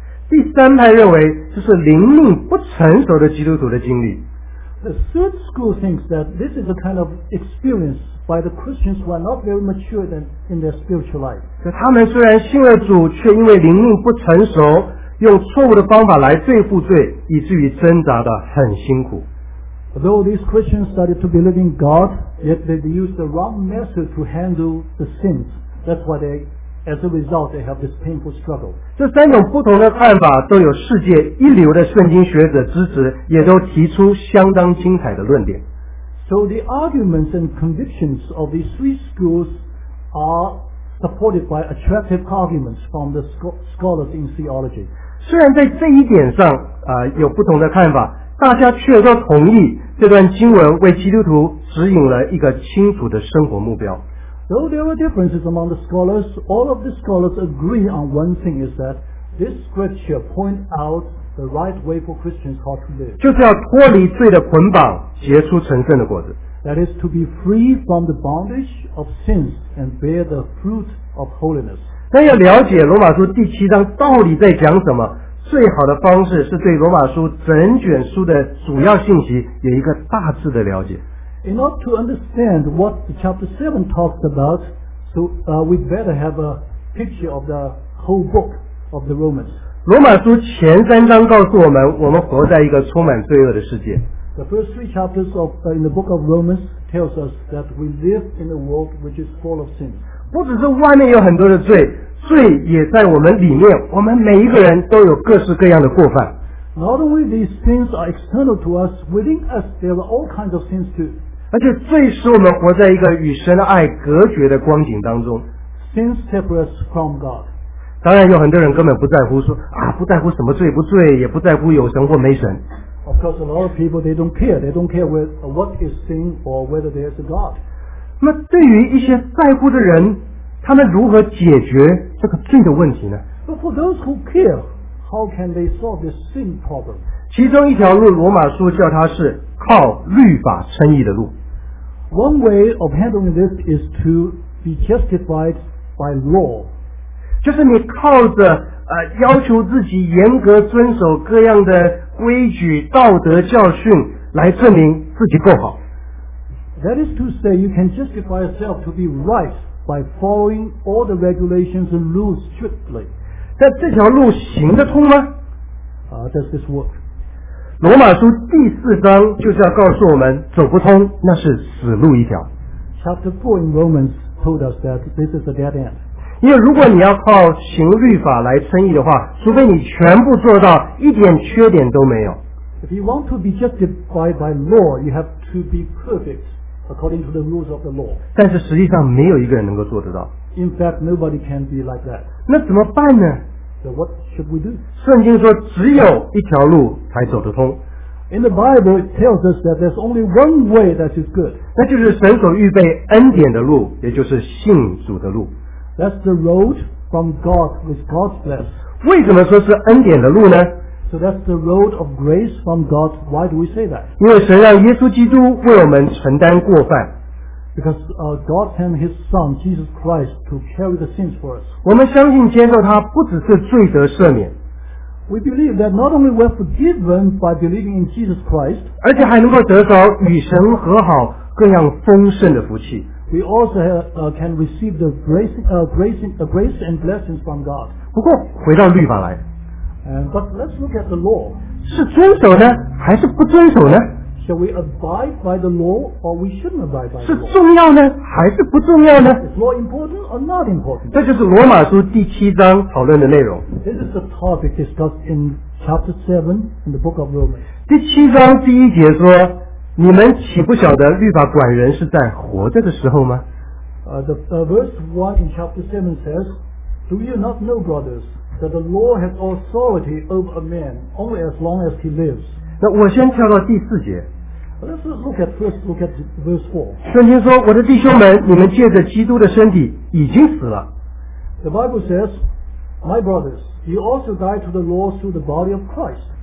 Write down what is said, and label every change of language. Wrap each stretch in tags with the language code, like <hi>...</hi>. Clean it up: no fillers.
<zh>第三派认为，这是灵命不成熟的基督徒的经历。</zh> <en>The third school thinks that this is a kind of experience by the Christians who are not very mature in their spiritual life.</en> <zh>他们虽然信了主，却因为灵命不成熟，用错误的方法来对付罪，以至于挣扎得很辛苦。</zh> <en>Though these Christians started to believe in God, yet they used the wrong method to handle the sins. That's why they, as a result, they have this painful struggle.</en> <zh>这三种不同的看法都有世界一流的圣经学者支持，也都提出相当精彩的论点。</zh> <en>So the arguments and convictions of these three schools are supported by attractive arguments from the scholars in theology.</en> <zh>虽然在这一点上，有不同的看法，大家却都同意这段经文为基督徒指引了一个清楚的生活目标。</zh> <en>Though there are differences among the scholars, all of the scholars agree on one thing is that this scripture points out the right way for Christians how to live.</en> <zh>就是要脱离罪的捆绑，结出成圣的果子。</zh> <en>That is to be free from the bondage of sins and bear the fruit of holiness.</en> <zh>但要了解罗马书第七章到底在讲什么，最好的方式是对罗马书整卷书的主要信息有一个大致的了解。</zh> <en>In order to understand what chapter 7 talks about, so we better have a picture of the whole book of the Romans.</en> <zh>罗马书前三章告诉我们，我们活在一个充满罪恶的世界。</zh> <en>The first three chapters of in the book of Romans tells us that we live in a world which is full of sins.</en> <zh>不只是外面有很多的罪，罪也在我们里面，我们每一个人都有各式各样的过犯。</zh> <en>Not only these sins are external to us, within us there are all kinds of sins too.</en> <zh>而且罪使我们活在一个与神的爱隔绝的光景当中。</zh> <en>Sins separate us from God.</en> <zh>当然有很多人根本不在乎说啊，不在乎什么罪不罪，也不在乎有神或没神。</zh> <en>Of course a lot of people they don't care. They don't care what is sin or whether there is a God.</en> <zh>那对于一些在乎的人，他们如何解决这个罪的问题呢？</zh> <en>But for those who care, how can they solve this sin problem?</en> <zh>其中一条路，罗马书叫它是靠律法称义的路。</zh> <en>One way of handling this is to be justified by law.</en> <zh>就是你靠着要求自己严格遵守各样的规矩、道德教训来证明自己够好。</zh> <en>That is to say, you can justify yourself to be right. By following all the regulations and rules strictly.</en> <zh>但这条路行得通吗？</zh> <en>Does this work?</en> <zh>罗马书第四章就是要告诉我们，走不通，那是死路一条。</zh> <en>Chapter 4 in Romans told us that this is a dead end.</en> <zh>因为如果你要靠行律法来称义的话，除非你全部做到，一点缺点都没有。</zh> <en>If you want to be justified by law, you have to be perfect. According to the rules of the law.</en> <zh>但是实际上没有一个人能够做得到。</zh> <en>In fact, nobody can be like that.</en> <zh>那怎么办呢？</zh> <en>So what should we do?</en> <zh>圣经说只有一条路才走得通。</zh> <en>In the Bible, it tells us that there's only one way that is good.</en> <zh>那就是神所预备恩典的路，也就是信主的路。</zh> <en>That's the road from God with God's blessing. 为什么说是恩典的路呢？ So that's the road of grace from God. Why do we say that?</en> <zh>因为神让耶稣基督为我们承担过犯。</zh> <en>Because God sent His Son, Jesus Christ, to carry the sins for us.</en> <zh>我们相信接受他不只是罪得赦免。</zh> <en>We believe that not only we're forgiven by believing in Jesus Christ,</en> <zh>而且还能够得着与神和好各样丰盛的福气。</zh> <en>We also can receive the grace and blessings from God.</en> <zh>不过回到律法来。</zh> <en>But let's look at the law.</en> <zh>是遵守呢，还是不遵守呢？</zh> <en>Shall we abide by the law or we shouldn't abide by the law?</en> <zh>是重要呢，还是不重要呢？</zh> <en>Is law important or not important?</en> <zh>这就是罗马书第七章讨论的内容。</zh> <en>This is the topic discussed in chapter 7 in the book of Romans.</en> <zh>第七章第一节说，你们岂不晓得律法管人是在活着的时候吗？</zh> <en>Verse 1 in chapter 7 says, Do you not know, brothers? That the law has authority over a man only as long as he lives.</en> <zh>那我先跳到第四节。</zh> <en>Let's look at verse 4.</en> <zh>圣经说，我的弟兄们，你们借着基督的身体已经死了。</zh> <en>The Bible says, My brothers, you also died to the law through the body of Christ.</en>